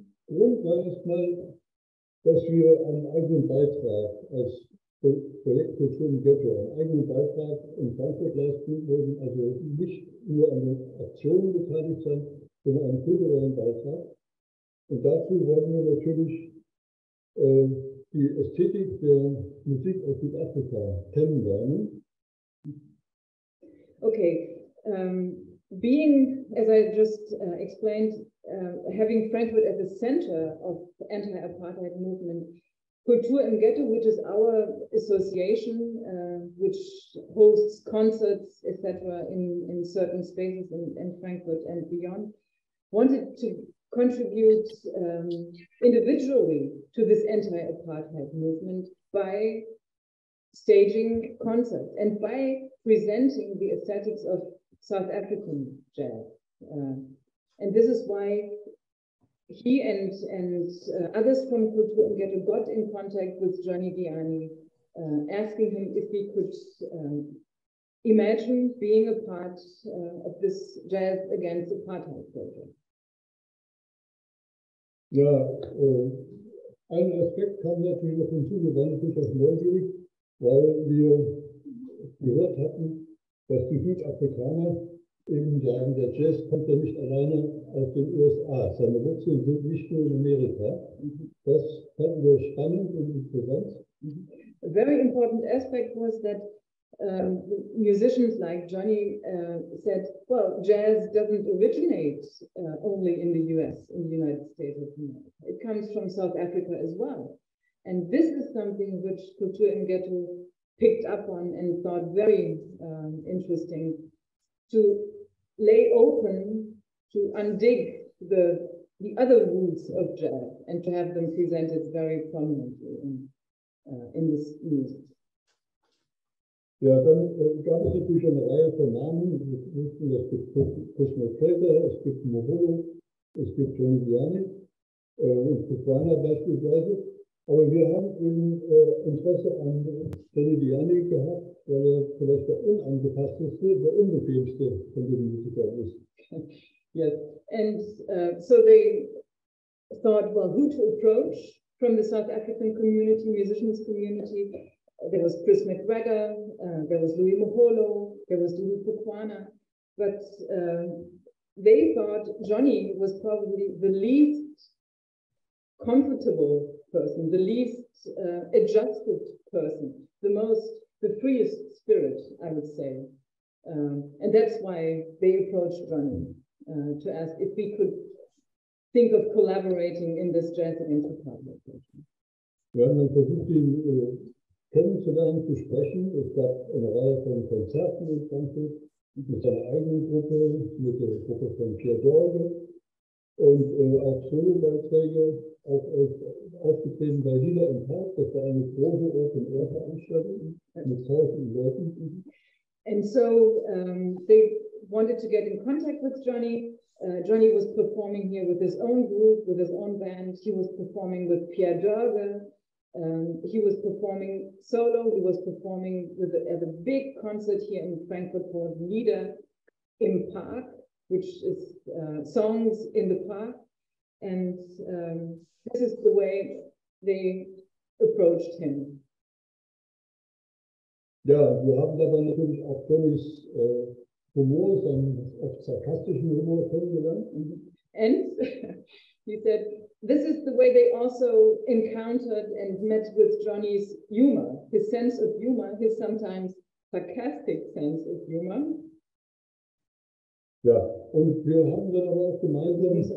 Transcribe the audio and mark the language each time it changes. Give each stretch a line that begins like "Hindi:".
German: Grund war erstmal, dass wir einen eigenen Beitrag als Projekt Kultur im Ghetto, einen eigenen Beitrag in Frankfurt leisten würden, also nicht nur an den Aktionen beteiligt sein, sondern einen kulturellen Beitrag. Und dazu wollen wir natürlich die Ästhetik der Musik aus Südafrika kennenlernen. Okay.
English: Being, as I just explained, having Frankfurt at the center of the anti-apartheid movement, Kultur im Ghetto, which is our association, which hosts concerts, etc., in certain spaces in Frankfurt and beyond, wanted to contribute individually to this anti-apartheid movement by staging concerts and by presenting the aesthetics of South African jazz. And this is why he and others from Kultur im Ghetto got in contact with Johnny Dyani, asking him if he could imagine being a part of this Jazz Against Apartheid project.
German: Ja, ein Aspekt kam natürlich noch hinzu, wir waren natürlich auch neugierig, weil wir gehört hatten, dass die Südafrikaner eben sagen, der Jazz kommt ja nicht alleine aus den USA, seine Wurzeln sind nicht nur in Amerika. Das fanden wir spannend und interessant.
English: A very important aspect was that musicians like Johnny said, well, jazz doesn't originate only in the US, in the United States of America. It comes from South Africa as well. And this is something which Kultur im Ghetto picked up on and thought very interesting to lay open, to undig the other roots of jazz and to have them presented very prominently in this music.
German: Ja, dann gab es natürlich eine Reihe von Namen. Es gibt Krishna Felder, es gibt Moholo, es gibt Johnny Dyani und Struan beispielsweise. Aber wir haben eben Interesse an Johnny Dyani gehabt, weil er vielleicht der unangepassteste, der unbequemste von den Musikern ist.
English: Yes, and so they thought, well, who to approach from the South African community, musicians community. There was Chris McGregor, there was Louis Moholo, there was Louis Pukwana, but they thought Johnny was probably the least comfortable person, the least adjusted person, the freest spirit, I would say. And that's why they approached Johnny to ask if we could think of collaborating in this Jazz Against Apartheid project.
German: Kennenzulernen, zu sprechen. Es gab eine Reihe von Konzerten in Frankfurt mit seiner eigenen Gruppe, mit der Gruppe von Pierre Dorge und auch Solo-Beiträge, auch aufgetreten bei Lila im Park, das war eine große Open-Air-Veranstaltung mit 1000 Leuten.
English: And so they wanted to get in contact with Johnny. Johnny was performing here with his own group, with his own band. He was performing with Pierre Dorge. He was performing solo, he was performing at a big concert here in Frankfurt called Lieder im Park, which is songs in the park. And this is the way they approached him.
German: Ja, wir haben dabei natürlich auch Johnnys Humor, seinen oft sarkastischen Humor kennengelernt.
English: And he said, this is the way they also encountered and met with Johnny's humor, his sense of humor, his sometimes sarcastic sense of humor.
German: Ja, und wir haben dann aber auch gemeinsam.